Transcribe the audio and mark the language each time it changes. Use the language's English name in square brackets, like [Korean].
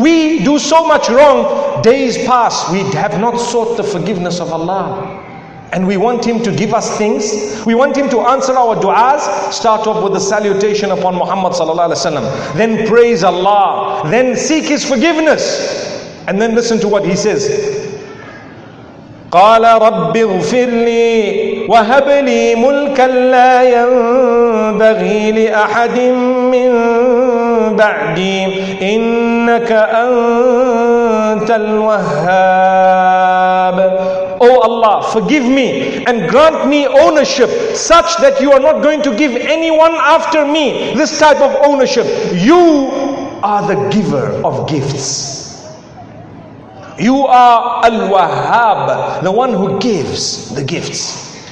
[English] We do so much wrong. Days pass. We have not sought the forgiveness of Allah. And we want Him to give us things. We want Him to answer our du'as. Start off with the salutation upon Muhammad sallallahu alaihi wasallam. Then praise Allah. Then seek His forgiveness. And then listen to what He says. [Arabic] قال رب اغفر لي وهب لي ملكا لا ينبغي لأحد من بعدي إنك أنت الوهاب. [English] O Allah, forgive me and grant me ownership such that you are not going to give anyone after me this type of ownership. You are the giver of gifts. You are Al-Wahhab, the one who gives the gifts.